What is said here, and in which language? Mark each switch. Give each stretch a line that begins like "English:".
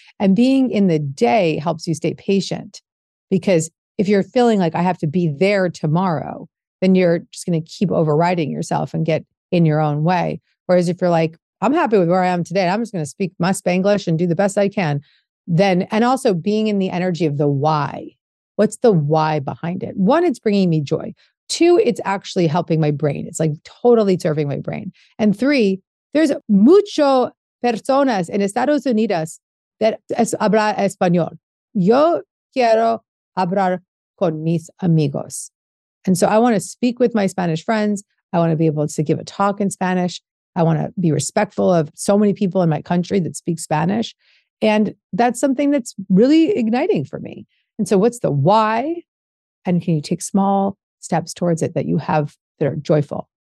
English: And being in the day helps you stay patient, because if you're feeling like I have to be there tomorrow, then you're just going to keep overriding yourself and get in your own way. Whereas if you're like, I'm happy with where I am today, I'm just going to speak my Spanglish and do the best I can. Then, and also being in the energy of the why. What's the why behind it? One, it's bringing me joy. Two, it's actually helping my brain. It's like totally serving my brain. And three, there's
Spanish: mucho personas en Estados Unidos
English: that
Spanish: habla español. Yo quiero hablar con mis amigos.
English: And so I want to speak with my Spanish friends. I want to be able to give a talk in Spanish. I want to be respectful of so many people in my country that speak Spanish. And that's something that's really igniting for me. And so what's the why? And can you take small steps towards it that you have that are joyful?